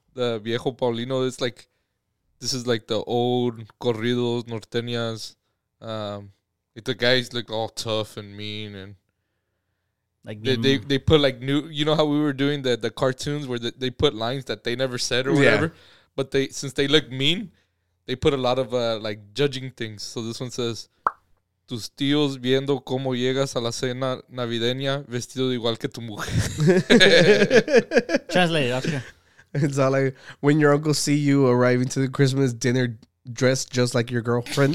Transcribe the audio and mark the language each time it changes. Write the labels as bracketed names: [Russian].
[English] The viejo Paulino. It's like. This is like the old corridos, norteñas. The guys look all tough and mean, and like they put like new. You know how we were doing the cartoons where they put lines that they never said or whatever. Yeah. But they, since they look mean, they put a lot of like judging things. So this one says, [Spanish] "Tus tíos viendo cómo llegas a la cena navideña vestido igual que tu mujer." [English] Translate it, Oscar. It's all like when your uncle see you arriving to the Christmas dinner dressed just like your girlfriend.